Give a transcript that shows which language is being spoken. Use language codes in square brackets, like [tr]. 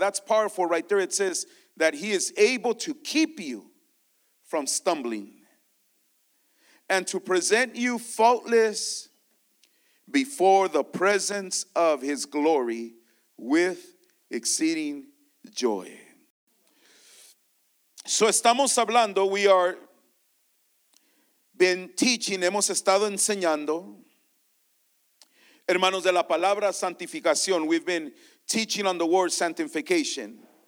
[en] That's powerful right there. It says that he is able to keep you from stumbling and to present you faultless before the presence of his glory with exceeding joy. [es] So estamos hablando, [en] we are been teaching, [es] hemos estado enseñando, hermanos, de la palabra santificación. [en] We've been teaching on the word sanctification.